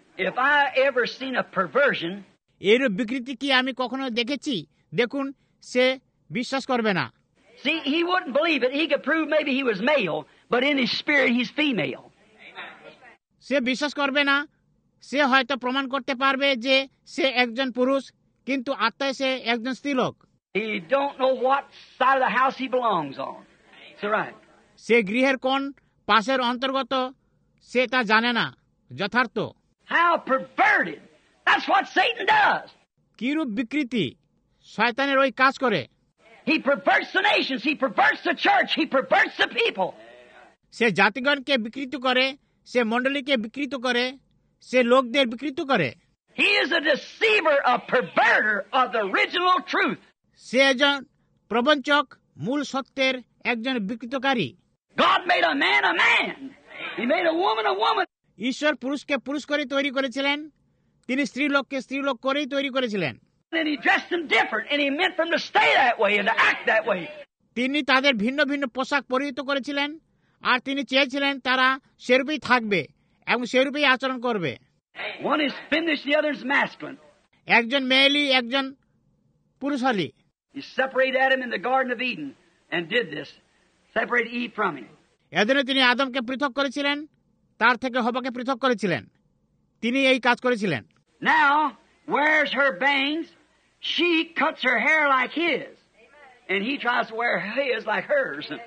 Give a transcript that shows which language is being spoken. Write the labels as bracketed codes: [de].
[en] If I ever seen a perversion, [bn] এর বিকৃতি কি আমি কখনো দেখেছি? দেখুন, সে বিশ্বাস করবে না। [en] See, he wouldn't believe it. He could prove maybe he was male, but in his spirit he's female. [bn] সে বিশ্বাস করবে না। সে হয়তো প্রমাণ করতে পারবে যে সে একজন পুরুষ, কিন্তু আত্মায় সে একজন স্ত্রীলোক। [en] He don't know what side of the house he belongs on. So right. [bn] সে গৃহের কোন পাশের অন্তর্গত সে তা জানে না যথার্থ। [en] How perverted! That's what Satan does! [bn] কিরূপ বিকৃতি! শয়তানের ওই কাজ করে। [en] He perverts the nations, he perverts the church, he perverts the people. [bn] সে জাতিগণকে বিকৃত করে, সে মণ্ডলীকে বিকৃত করে, সে লোকদের বিকৃত করে। [en] He is a deceiver, a perverter of the original truth. [bn] সে একজন প্রবঞ্চক, মূল সত্যের একজন বিকৃতকারী। [en] God made a man a man. He made a woman a woman. [bn] ঈশ্বর পুরুষকে পুরুষ করে তৈরি করেছিলেন, তিনি স্ত্রী লোককে স্ত্রী লোক করেই তৈরি করেছিলেন। [en] And he dressed them different and he meant for them to stay that way and to act that way. [bn] তিনি তাদের ভিন্ন ভিন্ন পোশাক পরিহিত করেছিলেন আর তিনি চেয়েছিলেন তারা সেরূপেই থাকবে এবং সেরূপেই আচরণ করবে। [en] One is feminine, the other is masculine. [bn] একজন মেয়েলি, একজন পুরুষালি। [en] He separated Adam in the Garden of Eden and did this. Separate Eve from him. [bn] এদনে তিনি আদমকে পৃথক করেছিলেন, তার থেকে হবাকে পৃথক করেছিলেন। তিনি এই কাজ করেছিলেন। [en] Now, where's her bangs? She cuts her hair like his. And he tries to wear his like hers.